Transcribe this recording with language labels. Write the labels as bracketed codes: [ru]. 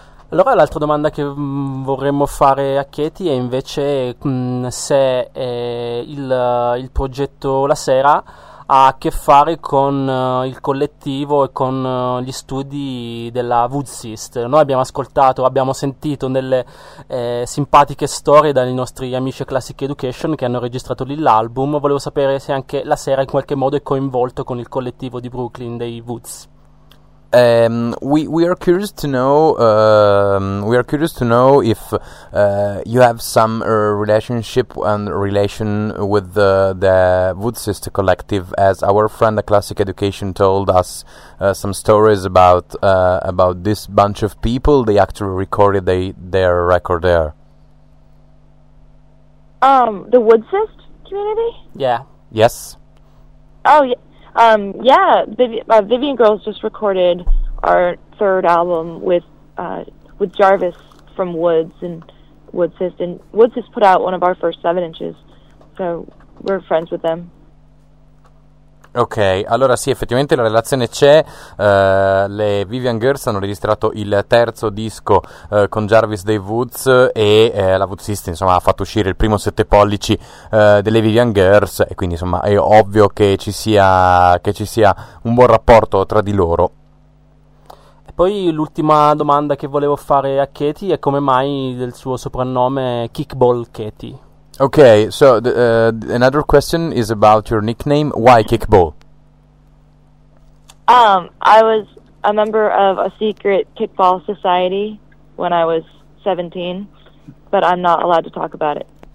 [it] Allora, l'altra domanda che vorremmo fare a Katie è invece se il progetto La Sera ha a che fare con il collettivo e con gli studi della Woodsist. Noi abbiamo sentito delle simpatiche storie dai nostri amici Classic Education che hanno registrato lì l'album. Volevo sapere se anche La Sera in qualche modo è coinvolto con il collettivo di Brooklyn dei Woods. [en] We are curious to know if you have some relationship and relation with the Woodsist collective, as our friend the Classic Education told us some stories about this bunch of people. They actually recorded their record there. The Woodsist community? Yeah. Yes. Oh yeah. Vivian Girls just recorded our third album with Jarvis from Woods and Woodsist, and Woodsist put out one of our first 7-inches, so we're friends with them. [it] Ok, allora sì, effettivamente la relazione c'è. Le Vivian Girls hanno registrato il terzo disco con Jarvis dei Woods e la Woodsist, insomma, ha fatto uscire il primo 7 pollici delle Vivian Girls, e quindi insomma è ovvio che ci sia un buon rapporto tra di loro. E poi l'ultima domanda che volevo fare a Katie è come mai del suo soprannome Kickball Katie. [en] Okay, so another question is about your nickname. Why Kickball? I was a member of a secret kickball society when I was 17, but I'm not allowed to talk about it.